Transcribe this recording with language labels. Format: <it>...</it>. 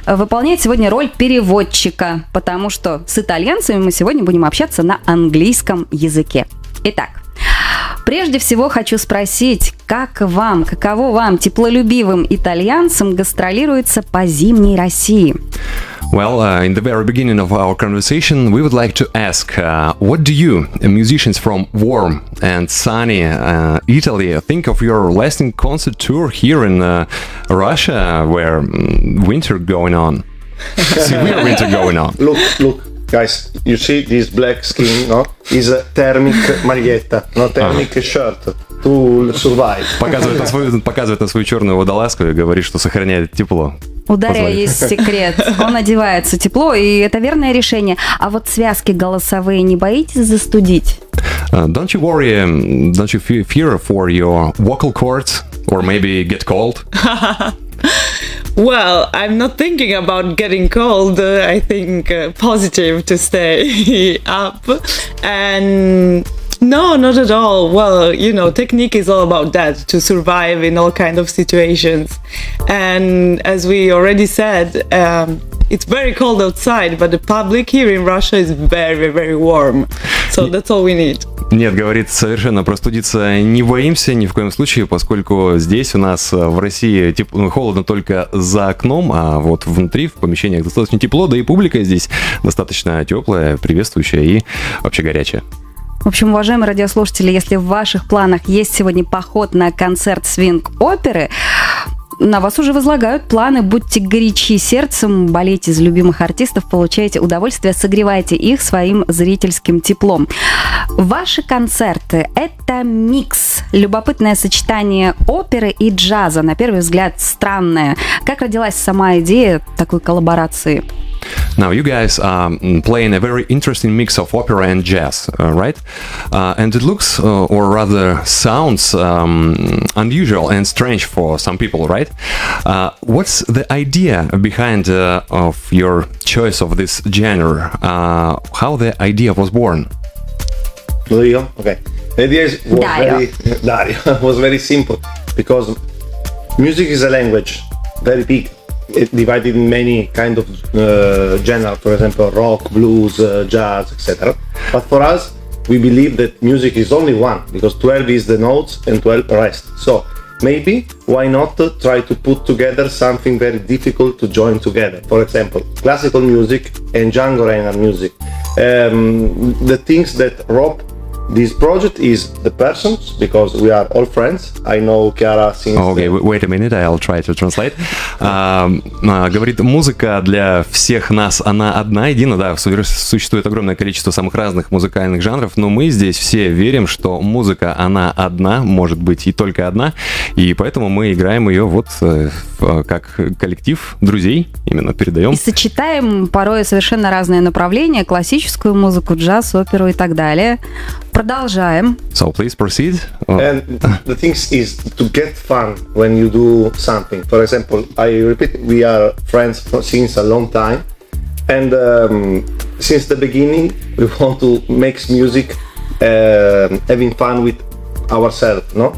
<ru>Выполняет сегодня роль переводчика, потому что с итальянцами мы сегодня будем общаться на английском языке. Итак, прежде всего хочу спросить, как вам, каково вам, теплолюбивым итальянцам, гастролируется по зимней России?</ru> <en>Well, in the very beginning of our conversation, we would like to ask, what do you, musicians from warm and sunny Italy, think of your lasting concert tour here in Russia, where winter going on? Severe winter going on. Look, guys, you see this black skin, no? Is a thermic maglietta, not thermic shirt. To survive.</en> <ru>Показывает на свою черную водолазку и говорит, что сохраняет тепло. У Дарья есть секрет. Он одевается тепло, и это верное решение. А вот связки голосовые не боитесь застудить?</ru> <en>Don't you worry, don't you fear for your vocal cords or maybe get cold? Well, I'm not thinking about getting cold. I think positive to stay up. And no, not at all. Well, you know, technique is all about that, to survive in all kind of situations. And as we already said, it's very cold outside, but the public here in Russia is very, very warm. So that's all we need.</en> <ru>Нет, говорит, совершенно простудиться не боимся ни в коем случае, поскольку здесь у нас в России холодно только за окном, а вот внутри, в помещениях достаточно тепло, да и публика здесь достаточно теплая, приветствующая и вообще горячая. В общем, уважаемые радиослушатели, если в ваших планах есть сегодня поход на концерт «Swing Opera», на вас уже возлагают планы. Будьте горячи сердцем, болейте за любимых артистов, получайте удовольствие, согревайте их своим зрительским теплом. Ваши концерты – это микс, любопытное сочетание оперы и джаза, на первый взгляд странное. Как родилась сама идея такой коллаборации?</ru> <en>Now you guys are playing a very interesting mix of opera and jazz, right? And it looks, or rather sounds, unusual and strange for some people, right? What's the idea behind of your choice of this genre? How the idea was born? Dario? Okay. The idea was very simple, because music is a language, very big. It divided in many kind of genre, for example, rock, blues, jazz, etc. But for us, we believe that music is only one, because 12 is the notes and 12 rest. So maybe, why not try to put together something very difficult to join together? For example, classical music and Django Reina music. The things that rob this project is the persons, because we are all friends. I know Chiara since... Okay, wait a minute, I'll try to translate.</en> <ru>Говорит, музыка для всех нас, она одна, едина, да, существует огромное количество самых разных музыкальных жанров, но мы здесь все верим, что музыка, она одна, может быть, и только одна, и поэтому мы играем ее вот как коллектив друзей, именно передаем. И сочетаем порой совершенно разные направления, классическую музыку, джаз, оперу и так далее. Продолжаем.</ru> <en>So please proceed. And the thing is to get fun when you do something. For example, I repeat, we are friends since a long time. And since the beginning, we want to make music having fun with ourselves, no?</en>